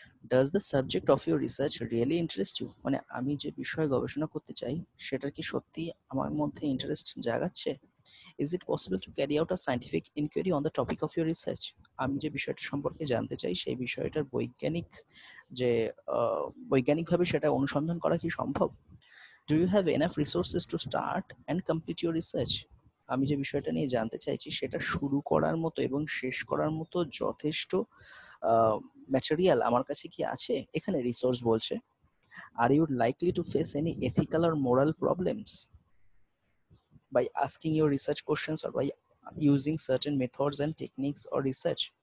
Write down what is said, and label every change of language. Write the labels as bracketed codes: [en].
[en] does the subject of your research really interest you, [bn] মানে আমি যে বিষয়ে গবেষণা করতে চাই সেটার কি সত্যি আমার মধ্যে interest জাগাচ্ছে। [en] Is it possible to carry out a scientific inquiry on the topic of your research. [bn] আমি যে বিষয়টা সম্পর্কে জানতে চাই সেই বিষয়টার বৈজ্ঞানিক যে বৈজ্ঞানিকভাবে সেটা অনুসন্ধান করা কি সম্ভব। [en] Do you have enough resources to start and complete your research? [bn] আমি যে বিষয়টা নিয়ে জানতে চাইছি সেটা শুরু করার মতো এবং শেষ করার মতো যথেষ্ট ম্যাটেরিয়াল আমার কাছে কি আছে। এখানে রিসোর্স বলছে, [en] Are you likely to face any ethical or moral problems by asking your research questions or by using certain methods and techniques or research.